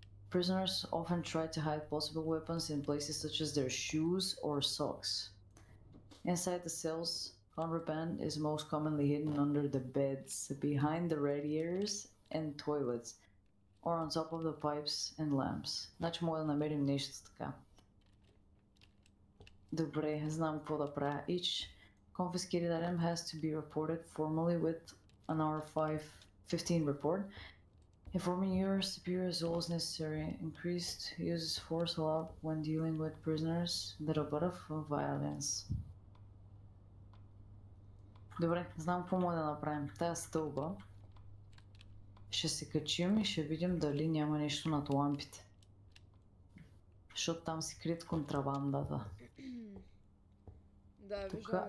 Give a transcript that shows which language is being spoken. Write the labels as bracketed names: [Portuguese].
[English] Prisoners often try to hide possible weapons in places such as their shoes or socks. Inside the cells, contraband is most commonly hidden under the beds, behind the radiators and toilets, or on top of the pipes and lamps. [Bulgarian] Значи мога да намерим нещо така. Добре, знам какво да правя. [English] Each confiscated item has to be reported formally with an R5-15 report. Informing your superior is always necessary. Increased uses force allowed when dealing with prisoners. Little bit of violence. [Bulgarian] Добре, знам какво мога да направим. Тая стълба. Ще се качим и ще видим дали няма нещо над лампите. Защото там си крит контрабандата. Да, тука... виждам